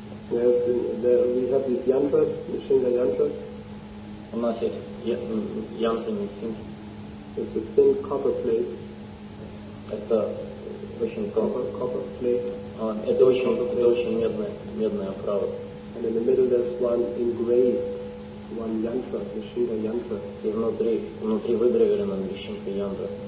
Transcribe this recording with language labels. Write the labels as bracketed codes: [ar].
[en] Yes, we have these yantras, the shinga yantras. [ru] У нас есть янтры, не синги. [en] It's a thin copper plate. [ru] Это очень тонкая [en] copper plate. [ru] Это очень медная оправа. [en] And in the middle there's one engraved one yantra, the shinga yantra. [ru] И внутри выгравировано на шинке янтра.